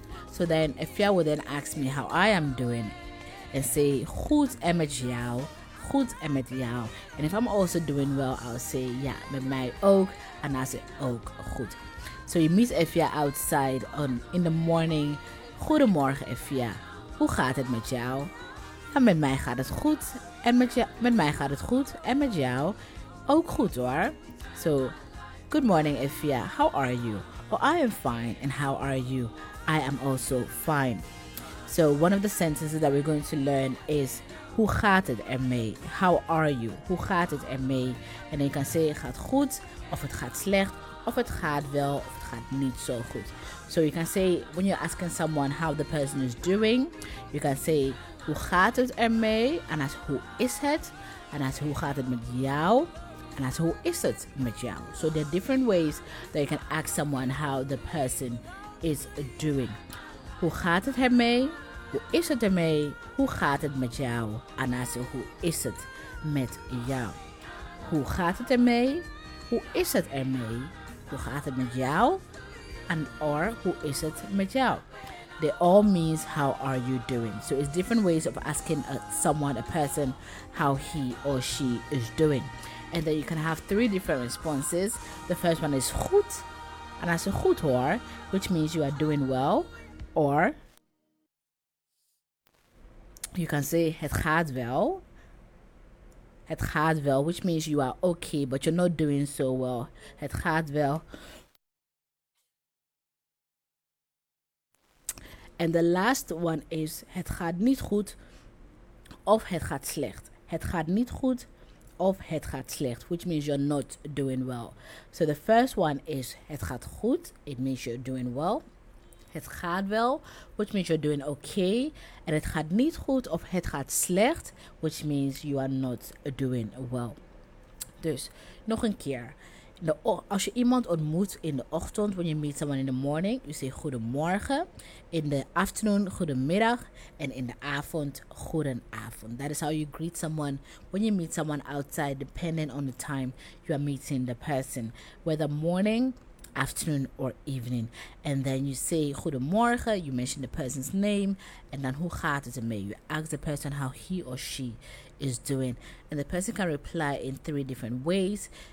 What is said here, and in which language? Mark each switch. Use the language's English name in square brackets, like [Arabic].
[English] So then Efia will then ask me how I am doing and say [Dutch] goed en met jou. Goed en met jou. [English] And if I'm also doing well, I'll say [Dutch] ja, met mij ook. [English] And I say [Dutch] ook goed. [English] So you meet Efia outside in the morning. [Dutch] Goedemorgen Efia, hoe gaat het met jou? En met mij gaat het goed. En met mij gaat het goed. En met jou ook goed hoor. [English] So, good morning Efia, how are you? Well, I am fine. And how are you? I am also fine. So one of the sentences that we're going to learn is, [Dutch] hoe gaat het ermee? [English] How are you? [Dutch] Hoe gaat het ermee? En dan kan je zeggen, gaat goed, of het gaat slecht, of het gaat wel, of het gaat niet zo goed. [English] So you can say, when you're asking someone how the person is doing, you can say, [Dutch] hoe gaat het ermee? En als hoe is het? En als hoe gaat het met jou? En als hoe is het met jou? [English] So there are different ways that you can ask someone how the person is doing. [Dutch] Hoe gaat het ermee? Hoe is het ermee? Hoe gaat het met jou? Anasi, hoe is het met jou? Hoe gaat het ermee? Hoe is het ermee? Hoe gaat het met jou? [English] And or, [Dutch] hoe is het met jou? [English] They all means, how are you doing? So it's different ways of asking a person, how he or she is doing. And then you can have three different responses. The first one is goed. Anasi, [Dutch] goed hoor. [English] Which means you are doing well. Or, you can say, [Dutch] het gaat wel. Het gaat wel, [English] which means you are okay, but you're not doing so well. Het gaat wel. And the last one is, [Dutch] het gaat niet goed of het gaat slecht. Het gaat niet goed of het gaat slecht, [English] which means you're not doing well. So the first one is, het gaat goed. It means you're doing well. [Dutch] Het gaat wel, [English] which means you're doing okay. [Dutch] En het gaat niet goed of het gaat slecht, [English] which means you are not doing well. [Dutch] Dus, nog een keer. Als je iemand ontmoet in de ochtend, [English] when you meet someone in the morning, you say [Dutch] goedemorgen. [English] In the afternoon, [Dutch] goedemiddag. En in de avond, goedenavond. [English] That is how you greet someone when you meet someone outside, depending on the time you are meeting the person. Whether morning, afternoon or evening, and then you say goedemorgen, you mention the person's name, and then [Dutch] hoe gaat het ermee, [English] you ask the person how he or she is doing, and the person can reply in three different ways.